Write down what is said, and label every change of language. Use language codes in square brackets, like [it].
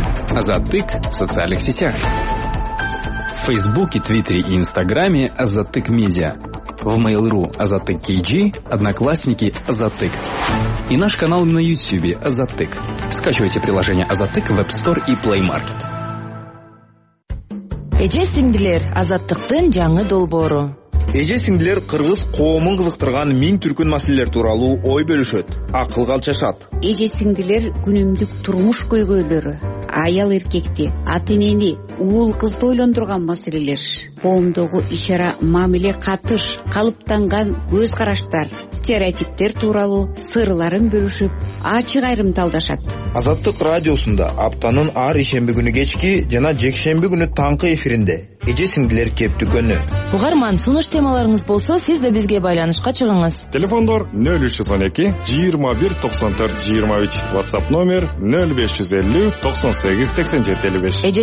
[ru] Азатык в социальных сетях. В Фейсбуке, Твиттере и Инстаграме Азатык Медиа. В Mail.ru Азатык KG, Одноклассники Азатык. И наш канал на Ютьюбе Азатык. Скачивайте приложение Азатык в App Store и Play Market. [ky] Эже сиңдилер, азаттыктын жаңы долбоору. Эже сиңдилер кыргыз коомун кызыктырган миң түркүн маселелер тууралуу ой бөлүшөт, акыл калчашат. Эже сиңдилер күнүмдүк турмуш көйгөйлөрү, аял эркекти, ата-энени, уул кызды ойлондурган маселелер, коомдогу ишара мамиле катыш, калыптанган көз караштар, стереотиптер тууралуу сырларын бөлүшүп, ачык айрымталдашат. Азаттык радиосунда аптанын ар ишемби күнү кечки жана жекшемби күнү таңкы эфиринде эже сиңдилер кептүгөнү. Угарман, сунуш темаларыңыз болсо, сиз да бизге байланышка чыгыңыз. Телефондор 0312-21-94-23, WhatsApp номер 0550-98-87-55.